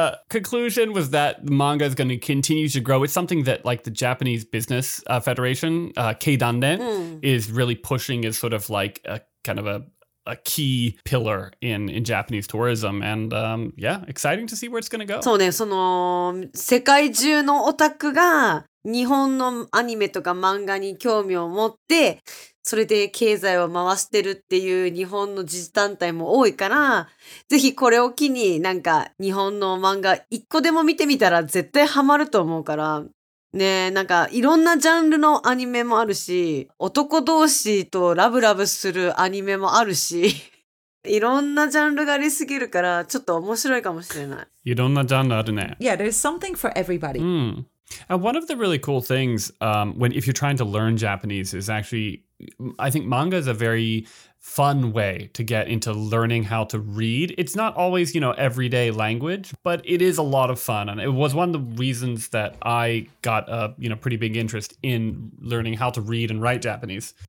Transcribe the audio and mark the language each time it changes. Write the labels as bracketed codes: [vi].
[en] conclusion was that manga is going to continue to grow. It's something that like the Japanese Business Federation, Keidanden, is really pushing as sort of like a kind of a key pillar in Japanese tourism. And yeah, exciting to see where it's going to go. [ja] そうね、その世界中のオタクが日本のアニメとか漫画に興味を持って、それで経済を回してるっていう日本の自治団体も多いから、ぜひこれを機になんか日本の漫画一個でも見てみたら絶対ハマると思うから、ねえ、なんかいろんなジャンルのアニメもあるし、男同士とラブラブするアニメもあるし、いろんなジャンルがありすぎるからちょっと面白いかもしれない。いろんなジャンルあるね。 [en] Yeah, there's something for everybody. Mm. And one of the really cool things, when if you're trying to learn Japanese, is actually, I think manga is a very fun way to get into learning how to read. It's not always, you know, everyday language, but it is a lot of fun. And it was one of the reasons that I got a, you know, pretty big interest in learning how to read and write Japanese.